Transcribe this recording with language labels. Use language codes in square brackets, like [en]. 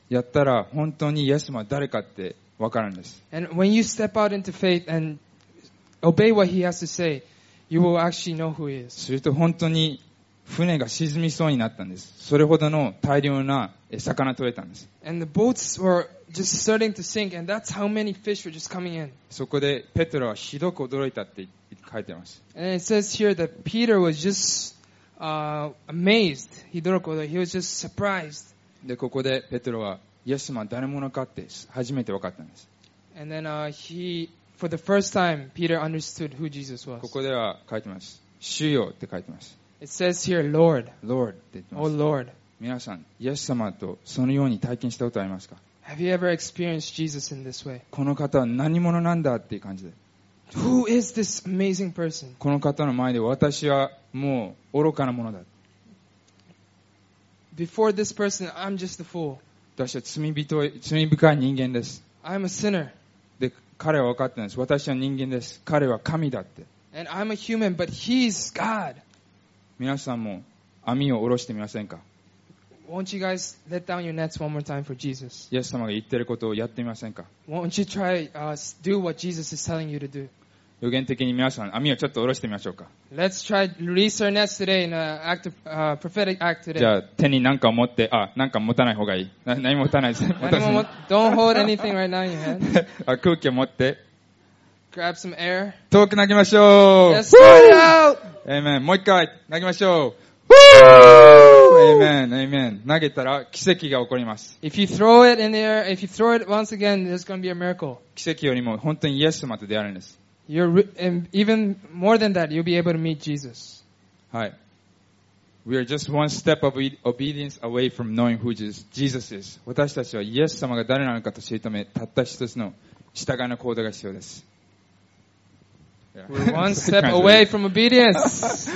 [ja] やったら、本当にイエス様は誰かってわかるんです。 [en] And when you step out into faith and obey what he has to say,You will actually know who he is. [ja] すると本当に船が沈みそうになったんです。それほどの大量な魚を取れたんです。 [en] And the boats were just starting to sink, and that's how many fish were just coming in. [ja] そこでペトロはひどく驚いたって書いてます。 [en] And it says here that Peter was just amazed. [ja] ひどく驚いた。 [en] He was just surprised. [ja] で、ここでペトロはイエス様は誰者かって初めて分かったんです。 [en] And then For the first time, Peter understood who Jesus was. [ja] ここでは書いてます。主よって書いてます。 [en] It says here, Lord. [ja] Lord って言ってます。 [en] Oh Lord. [ja] 皆さん、イエス様とそのように体験したことありますか? [en] Have you ever experienced Jesus in this way? [ja] この方は何者なんだっていう感じで。 [en] Who is this amazing person? [ja] この方の前で私はもう愚かなものだ。 [en] Before this person, I'm just a fool. [ja] 私は罪深い人間です。 [en] I'm a sinner. [ja] 彼は分かってないです。私は人間です。彼は神だって。 [en] And I'm a human, but he's God. [ja] 皆さんも網を下ろしてみませんか? [en] Won't you guys let down your nets one more time for Jesus? [ja] イエス様が言ってることをやってみませんか? [en] Won't you try do what Jesus is telling you to do? [ja] 予言的に皆さん、網をちょっと下ろしてみましょうか。 [en] Let's try release our nets today in prophetic act today. [ja] じゃあ、手に何か持って、何か持たない方がいい。何も持たないです。 [en] Don't hold anything right now in your hand. [ja] 空気を持って。 [en] Grab some air. [ja] 遠く投げましょう [en] Let's go out! [ja] Amen. もう一回投げましょう Woo! [en] Amen, amen. [ja] 投げたら奇跡が起こります。 [en] If you throw it in the air, if you throw it once again, there's going to be a miracle. [ja] 奇跡よりも本当にイエス様と出会えるんです。 [en] You're even more than that, you'll be able to meet Jesus. [ja] はい。 [en] We are just one step of obedience away from knowing who Jesus is. [ja] 私たちはイエス様が誰なのかと知るため、たった一つの従いの行動が必要です。 [en] Yeah. We're one step away from obedience.